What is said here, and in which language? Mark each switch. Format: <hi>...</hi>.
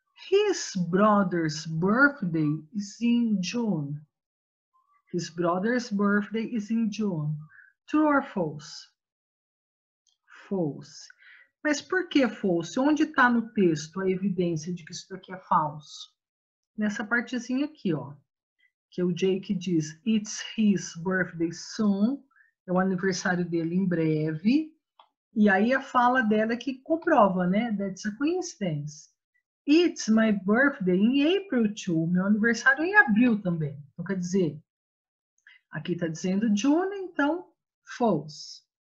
<en>His brother's birthday is in June. His brother's birthday is in June. True or false? False.</en> <pt>Mas por que false? Onde está no texto a evidência de que isso daqui é falso? Nessa partezinha aqui, ó. Que o Jake diz,</pt> <en>it's his birthday soon.</en> <pt>É o aniversário dele em breve. E aí a fala dela que comprova, né?</pt> <en>That's a coincidence. It's my birthday in April too.</en> <pt>Meu aniversário em abril também. Então, quer dizer, aqui tá dizendo June, então false.</pt>